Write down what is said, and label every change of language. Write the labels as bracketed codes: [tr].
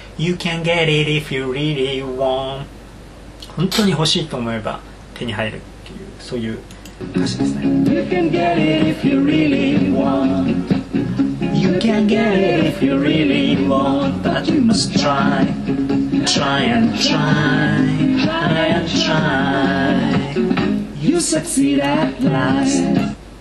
[en] You can get it if you really want. [ja] 本当に欲しいと思えば手に入るっていうそういう歌詞ですね。 [en] You can get it if you really want. You can get it if you really want. But you must try, try and try. Try. You succeed at last.